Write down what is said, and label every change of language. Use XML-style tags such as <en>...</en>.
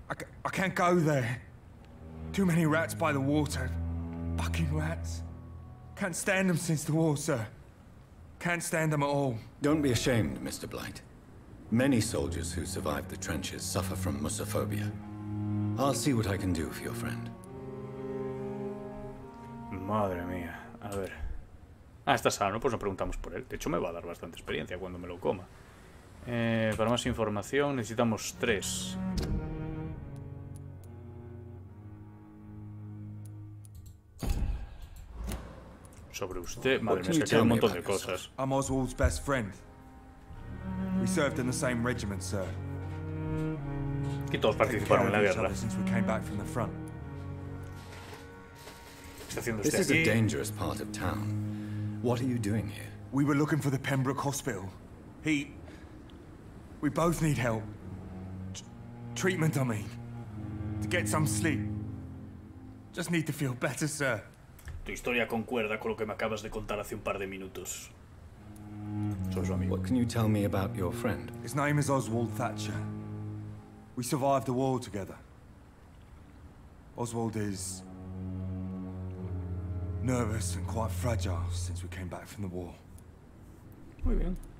<en>I can't go there. Too many rats by the water. Fucking rats. Can't stand them since the war, sir. Can't stand them at all. Don't be ashamed, Mr. Blight. Many soldiers who survived the trenches suffer from musophobia. I'll see what I can do for your friend.</en> <es>Madre mía. A ver. Ah, está sano, pues no preguntamos por él. De hecho, me va a dar bastante experiencia cuando me lo coma. Para más información necesitamos 3. Sobre usted, madre mía, es que hay un montón de cosas.</es> <en>I'm Oswald's best friend. We served in the same regiment, sir.</en> <es>Que todos participaron en la guerra.</es> <en>Since we came back from the front. This is a dangerous part of town. What are you doing here? We were looking for the Pembroke Hospital. We both need help. Treatment, I mean. To get some sleep. Just need to feel better, sir.</en> <es>Tu historia concuerda con lo que me acabas de contar hace un par de minutos.</es> <en>What can you tell me about your friend? His name is Oswald Thatcher. We survived the war together. Oswald is nervous and quite fragile since we came back from the war.</en> <es>Muy bien.</es>